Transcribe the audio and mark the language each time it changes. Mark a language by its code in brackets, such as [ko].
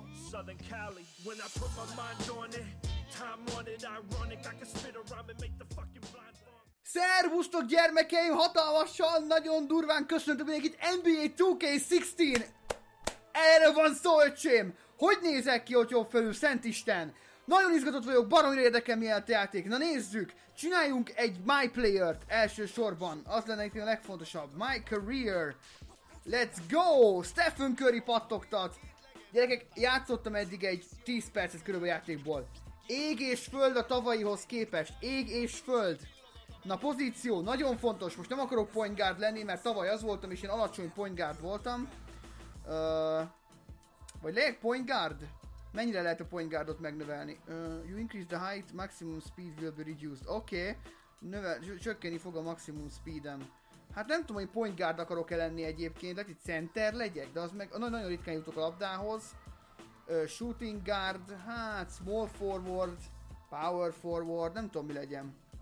[en] Southern Cali, when I put my mind on it, time on it, ironic, I can spit a rhyme and make the fucking blind fall. [hu] Szervusztok gyermekeim, hatalmasan, nagyon durván köszöntök mindenkit, NBA 2K16! Erről van szó, öcsém! Hogy nézek ki, hogy jobb felül, Szent Isten? Nagyon izgatott vagyok, baromira érdekel miért a játék. Na nézzük, csináljunk egy My Player-t elsősorban. Az lenne itt a legfontosabb, My Career. [en] Let's go! [hu] Stephen Curry pattogtat. Gyerekek, játszottam eddig egy 10 percet körülbelül a játékból. Ég és föld a tavalyihoz képest. Ég és föld. Na pozíció, nagyon fontos. Most nem akarok point guard lenni, mert tavaly az voltam, és én alacsony point guard voltam. Vagy legyek point guard? Mennyire lehet a point guardot megnövelni? [en] You increase the height, maximum speed will be reduced. [hu] Oké. Csökkenni fog a maximum speedem. Hát nem tudom, hogy point guard akarok-e lenni egyébként. Lehet, hogy center legyek, de az meg nagyon ritkán jutok a labdához. Shooting guard, hát small forward, power forward, nem tudom mi legyen.